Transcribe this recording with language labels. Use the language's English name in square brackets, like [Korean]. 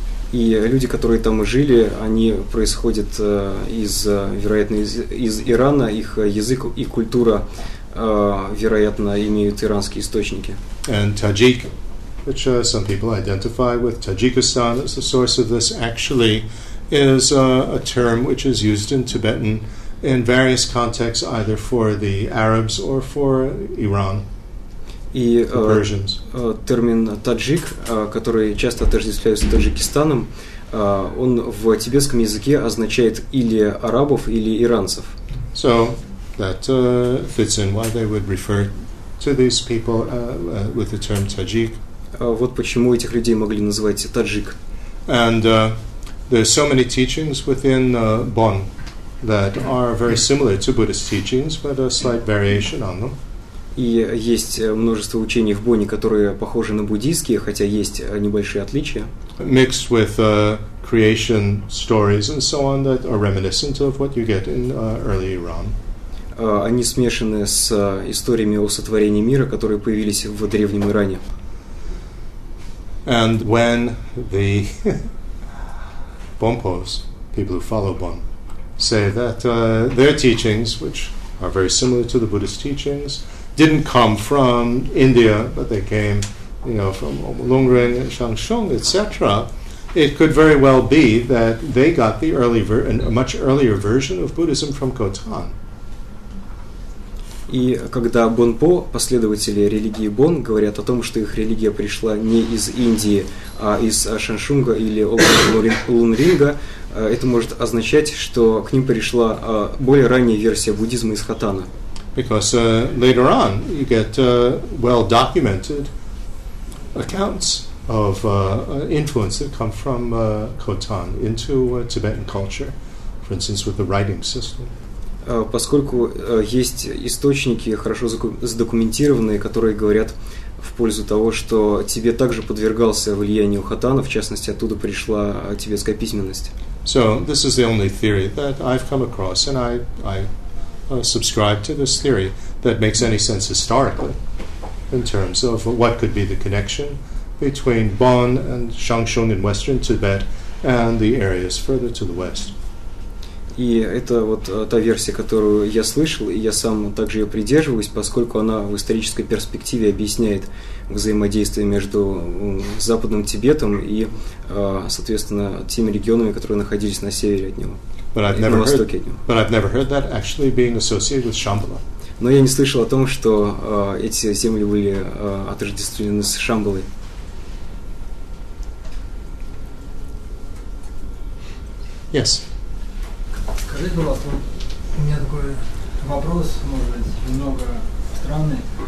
[Russian] И люди, которые там жили, они происходят из, вероятно, из Ирана. Их язык и культура, вероятно, имеют иранские источники. [English] And Tajik, which some people identify with Tajikistan as the source of this, actually is a term which is used in Tibetan in various contexts, either for the Arabs or for Iran. [Russian] И термин таджик, который часто отождествляется с Таджикистаном, он в тибетском языке означает или арабов, или иранцев. [English] So that fits in why they would refer to these people with the term Tajik. [Russian] Вот почему этих людей могли называть таджик. [English] And there are so many teachings within Bon that are very similar to Buddhist teachings, but a slight variation on them. [Russian] И есть множество учений в Бонне, которые похожи на буддийские, хотя есть небольшие отличия. [English] Mixed with creation stories and so on that are reminiscent of what you get in early Iran. [Russian] Они смешаны с историями о сотворении мира, которые появились в древнем Иране. [English] And when the Bonpos, people who follow Bon, say that their teachings, which are very similar to the Buddhist teachings, didn't come from India, but they came, you know, from Lungren and Shangshung, etc. It could very well be that they got the early, a much earlier version of Buddhism from Khotan. [Russian] И когда Бонпо, последователи религии Бон, говорят о том, что их религия пришла не из Индии, а из Шаншунга или Лунринга, это может означать, что к ним пришла более ранняя версия буддизма из Хотана. [English] Because later on, you get well-documented accounts of influence that come from Khotan into Tibetan culture, for instance, with the writing system. [Russian] Поскольку есть источники, хорошо задокументированные, которые говорят в пользу того, что Тибет также подвергался влиянию Хотана, в частности, оттуда пришла тибетская письменность. [English] So, this is the only theory that I've come across, and I subscribe to this theory that makes any sense historically in terms of what could be the connection between Bon and Shangshung in western Tibet and the areas further to the west. [Russian] И это вот та версия, которую я слышал, и я сам также ее придерживаюсь, поскольку она в исторической перспективе объясняет взаимодействие между западным Тибетом и, соответственно, теми регионами, которые находились на севере от него. [English] But I've never heard that actually being associated with Шамбала. [Russian] Но я не слышал о том, что эти земли были отождествлены с Шамбалой. [English] Yes. [Russian] Скажи, пожалуйста, у меня такой вопрос, может быть, немного странный.